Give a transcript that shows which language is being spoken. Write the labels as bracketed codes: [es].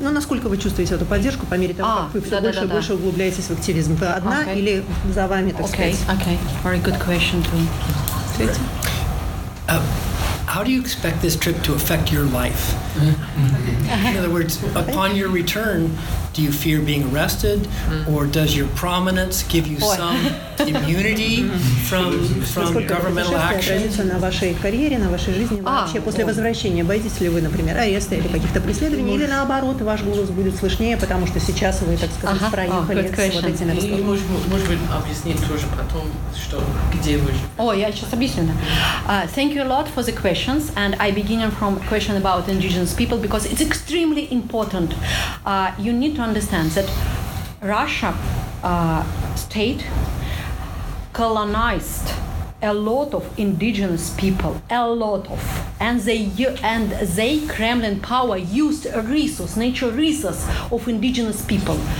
[ru] Ну, насколько вы чувствуете эту поддержку по мере того, как вы все больше и больше углубляетесь в активизм? Вы одна или за вами, так сказать? [en] Okay, very good question too. How do you expect this trip to affect your life? In other words, upon your return, do you fear being arrested, or does your prominence give you some immunity from governmental action? [ru] На вашей карьере, на вашей жизни, вообще после возвращения, боитесь ли вы, например, ареста или каких-то преследований, или наоборот, ваш голос будет слышнее, потому что сейчас вы, так сказать, проехали с вот этими разговорами? Может быть, объяснить тоже потом, что где вы? О, я сейчас объясню. [en] Thank you a lot for the questions, and I begin from a question about indigenous people, because it's extremely important. You need to understand that Russia state colonized a lot of indigenous people, a lot of, and they Kremlin power used a resource, natural resource of indigenous people.